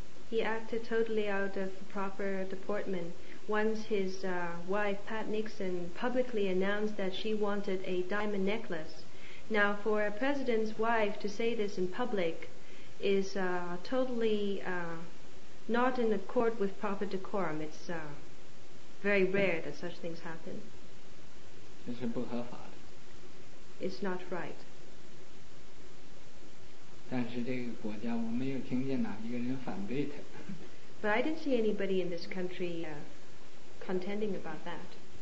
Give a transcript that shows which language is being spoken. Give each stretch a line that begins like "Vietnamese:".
English: He acted totally out of proper deportment. Once his wife, Pat Nixon, publicly announced that she wanted a diamond necklace. Now, for a president's wife to say this in public is totally not in accord with proper decorum. It's very rare that such things happen. This is
Chinese: 不合法的.
English: It's not right.
Chinese: 但是这个国家我没有听见哪一个人反对他。
English: But I didn't see anybody in this country contending about that.